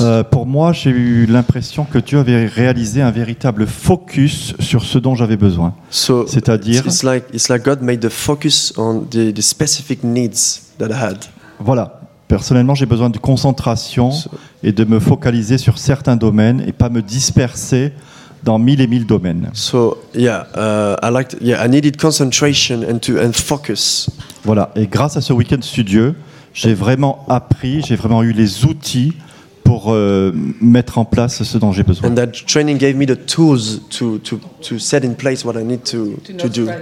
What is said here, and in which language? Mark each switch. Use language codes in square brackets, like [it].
[fr] Pour moi, j'ai eu l'impression que Dieu avait réalisé un véritable focus sur ce dont j'avais besoin. [en] So, [fr] c'est-à-dire... [en] It's like God made the focus on the specific needs that I had. [fr] Voilà. Personnellement, j'ai besoin de concentration et de me focaliser sur certains domaines et pas me disperser dans mille et mille domaines. [en] So yeah, I needed concentration and focus. [fr] Voilà. Et grâce à ce week-end studio, j'ai vraiment appris, j'ai vraiment eu les outils pour mettre en place ce dont j'ai besoin. [en] And that training gave me the tools to set in place what I need to do.